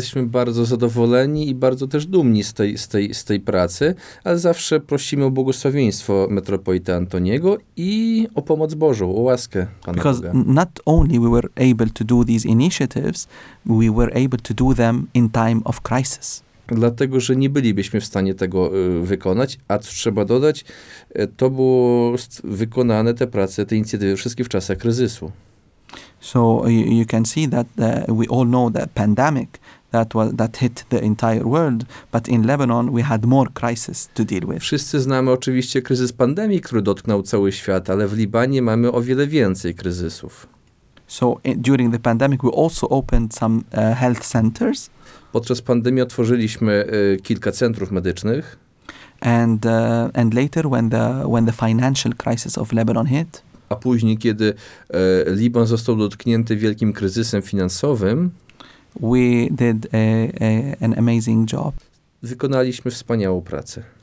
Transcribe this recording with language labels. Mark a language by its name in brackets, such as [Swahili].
[Polish] Jesteśmy bardzo zadowoleni i bardzo też dumni z tej pracy, ale zawsze prosimy o błogosławieństwo metropolity Antoniego i o pomoc Bożą, o łaskę Pana Boga. [English] Because not only we were able to do these initiatives, we were able to do them in time of crisis. [Polish] Dlatego, że nie bylibyśmy w stanie tego wykonać, a co trzeba dodać, to było wykonane te prace, te inicjatywy wszystkie w czasach kryzysu. [English] So you can see that we all know the pandemic that hit the entire world, but in Lebanon we had more crisis to deal with. [Polish] Wszyscy znamy oczywiście kryzys pandemii, który dotknął cały świat, ale w Libanie mamy o wiele więcej kryzysów. [English] So during the pandemic we also opened some health centers. [Polish] Podczas pandemii otworzyliśmy kilka centrów medycznych. [English] And later when the financial crisis of Lebanon hit. [Polish] A później kiedy Liban został dotknięty wielkim kryzysem finansowym, [English] we did an amazing job. [Polish] Wykonaliśmy wspaniałą pracę.